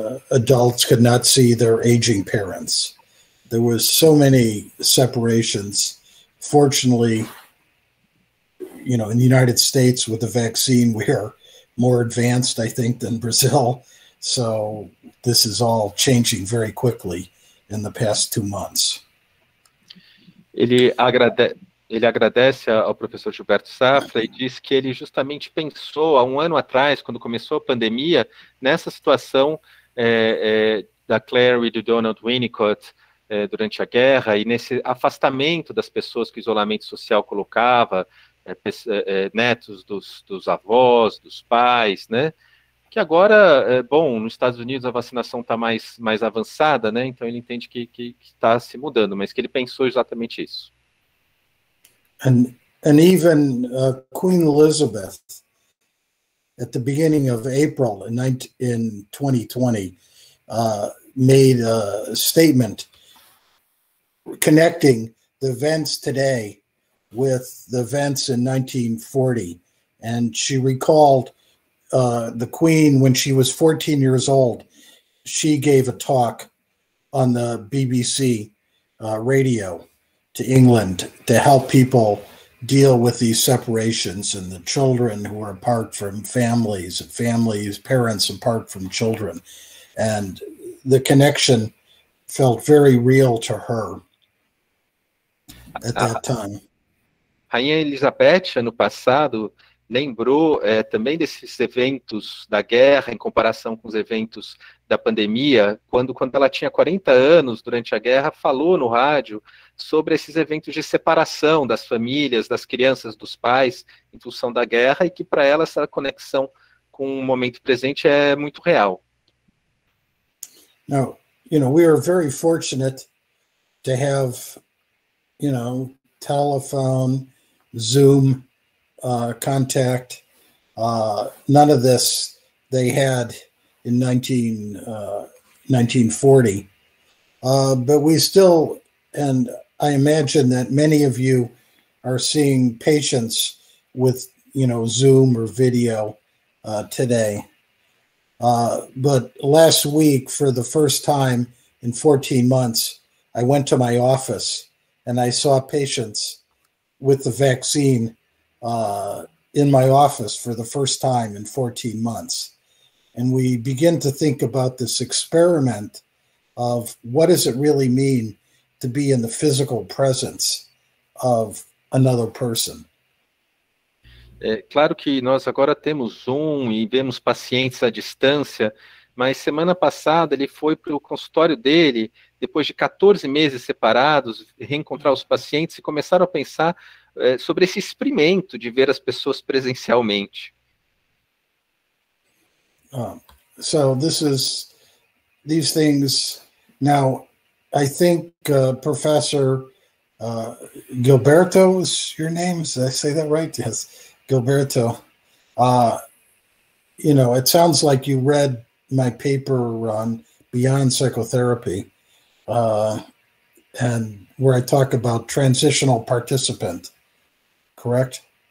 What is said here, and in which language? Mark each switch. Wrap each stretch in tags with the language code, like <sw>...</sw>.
<en>adults could not see their aging parents. There was so many separations. Fortunately, you know, in the United States with the vaccine, we're more advanced, I think, than Brazil. So this is all changing very quickly in the past 2 months.</en> <pt>Ele agradece ao professor Gilberto Safra e diz que ele justamente pensou há um ano atrás, quando começou a pandemia, nessa situação da Clare e do Donald Winnicott durante a guerra e nesse afastamento das pessoas que o isolamento social colocava, netos dos avós, dos pais, né? Que agora, bom, nos Estados Unidos a vacinação está mais avançada, né? Então ele entende que está se mudando, mas que ele pensou exatamente isso.</pt> <en>And even Queen Elizabeth, at the beginning of April in 2020, made a statement connecting the events today with the events in 1940. And she recalled the Queen, when she was 14 years old, she gave a talk on the BBC radio to England to help people deal with these separations and the children who are apart from families and families, parents apart from children. And the connection felt very real to her at that time.</en> <pt>Rainha Elizabeth, ano passado, lembrou também desses eventos da guerra em comparação com os eventos da pandemia, quando ela tinha 40 anos durante a guerra, falou no rádio sobre esses eventos de separação das famílias, das crianças, dos pais, em função da guerra, e que para ela essa conexão com o momento presente é muito real.</pt> <en>Now, you know, we are very fortunate to have, you know, telephone, Zoom, contact, none of this they had in 1940, but we still, and I imagine that many of you are seeing patients with, you know, Zoom or video today. But last week, for the first time in 14 months, I went to my office and I saw patients with the vaccine in my office for the first time in 14 months. And we begin to think about this experiment of what does it really mean to be in the physical presence of another person.</en> <pt>É claro que nós agora temos Zoom e vemos pacientes à distância, mas semana passada ele foi para o consultório dele, depois de 14 meses separados, reencontrar os pacientes e começaram a pensar sobre esse experimento de ver as pessoas presencialmente.</pt> <en>So this is, these things, now, I think Professor Gilberto, is your name, did I say that right? Yes, Gilberto, you know, it sounds like you read my paper on Beyond Psychotherapy, and where I talk about transitional participant, correct?</en>